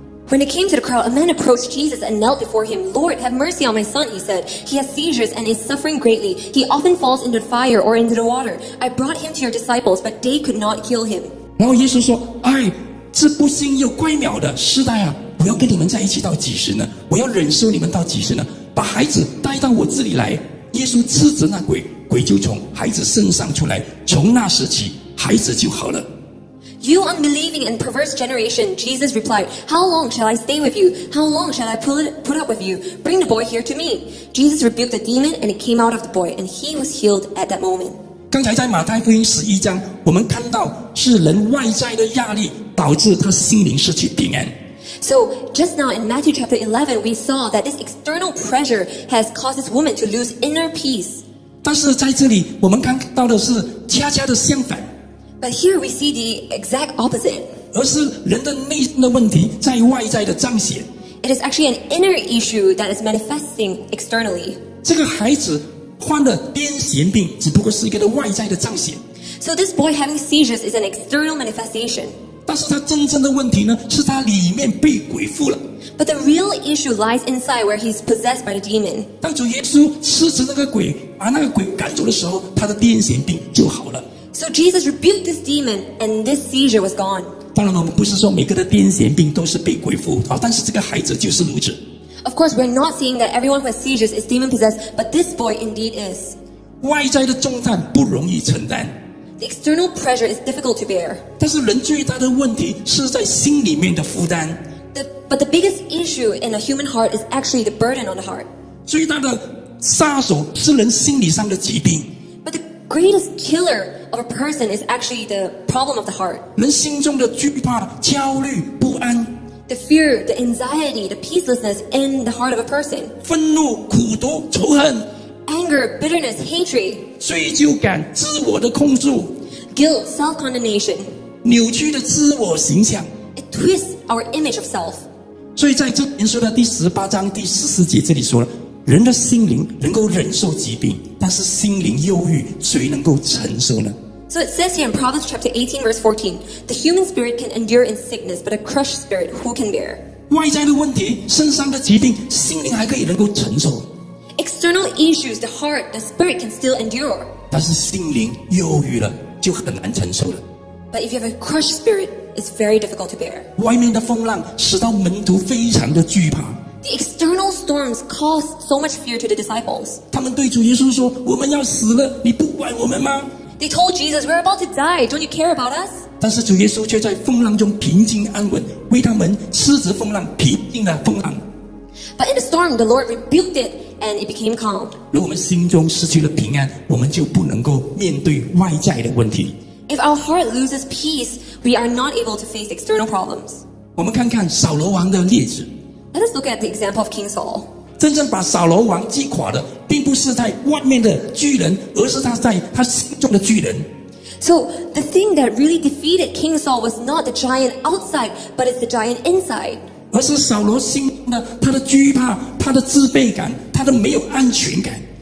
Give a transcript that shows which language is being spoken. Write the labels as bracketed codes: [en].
[en] When it came to the crowd, a man approached Jesus and knelt before him. Lord, have mercy on my son, he said. He has seizures and is suffering greatly. He often falls into fire or into the water. I brought him to your disciples, but they could not heal him. [zh] 然后耶稣说，哎，这不信又乖谬的世代啊，我要跟你们在一起到几时呢？我要忍受你们到几时呢？把孩子带到我这里来。耶稣斥责那鬼，鬼就从孩子身上出来，从那时起孩子就好了。 [en] You unbelieving and perverse generation, Jesus replied, How long shall I stay with you? How long shall I put up with you? Bring the boy here to me. Jesus rebuked the demon and it came out of the boy and he was healed at that moment. [zh] 刚才在马太福音十一章，我们看到是人外在的压力导致他心灵失去平安。 [en] So just now in Matthew chapter 11, we saw that this external pressure has caused this woman to lose inner peace. [zh] 但是在这里我们看到的是恰恰的相反。 [en] But here we see the exact opposite. [zh] 而是人的内心的问题在外在的彰显。 [en] It is actually an inner issue that is manifesting externally. [zh] 这个孩子患的癫痫病只不过是一个外在的彰显。 [en] So this boy having seizures is an external manifestation. [zh] 但是他真正的问题呢，是他里面被鬼附了。 [en] But the real issue lies inside where he's possessed by the demon. [zh] 当主耶稣斥责那个鬼，把那个鬼赶走的时候，他的癫痫病就好了。 [en] So Jesus rebuked this demon, and this seizure was gone. [zh] 当然我们不是说每个的癫痫病都是被鬼附，但是这个孩子就是如此。 [en] Of course, we're not saying that everyone who has seizures is demon-possessed, but this boy indeed is. [zh] 外在的重担不容易承担。 [en] The external pressure is difficult to bear. [zh] 但是人最大的问题是在心里面的负担。 [en] But the biggest issue in a human heart is actually the burden on the heart. [zh] 最大的杀手是人心理上的疾病。 [en] But the greatest killer... of a person is actually the problem of the heart. [zh] 人心中的惧怕、焦虑、不安。 [en] The fear, the anxiety, the peacelessness in the heart of a person. [zh] 愤怒、苦毒、仇恨。 [en] Anger, bitterness, hatred. [zh] 罪疚感、自我的控制。 [en] Guilt, self-condemnation. [zh] 扭曲的自我形象。 [en] It twists our image of self. [zh] 所以在这边说的第十八章第四十节这里说了。人的心灵能够忍受疾病，但是心灵忧郁，谁能够承受呢？ [en] So it says here in Proverbs chapter 18 verse 14, the human spirit can endure in sickness, but a crushed spirit who can bear? [zh] 外在的问题，身上的疾病，心灵还可以能够承受。 [en] External issues, the heart, the spirit can still endure. [zh] 但是心灵忧郁了，就很难承受了。 [en] But if you have a crushed spirit, it's very difficult to bear. [zh] 外面的风浪使到门徒非常的惧怕。 [en] The external storms caused so much fear to the disciples. [zh] 他们对主耶稣说，我们要死了，你不管我们吗？ [en] They told Jesus, we're about to die, don't you care about us? [zh] 但是主耶稣却在风浪中平静安稳，为他们斥责风浪，平静了风浪。 [en] But in the storm, the Lord rebuked it, and it became calm. [zh] 如果我们心中失去了平安，我们就不能够面对外在的问题。 [en] If our heart loses peace, we are not able to face external problems. [zh] 我们看看扫罗王的例子。 [en] Let us look at the example of King Saul. [zh] 真正把扫罗王击垮的，并不是在外面的巨人，而是他在他心中的巨人。 [en] So the thing that really defeated King Saul was not the giant outside, but it's the giant inside. [zh] 而是扫罗心中的他的惧怕、他的自卑感、他的没有安全感。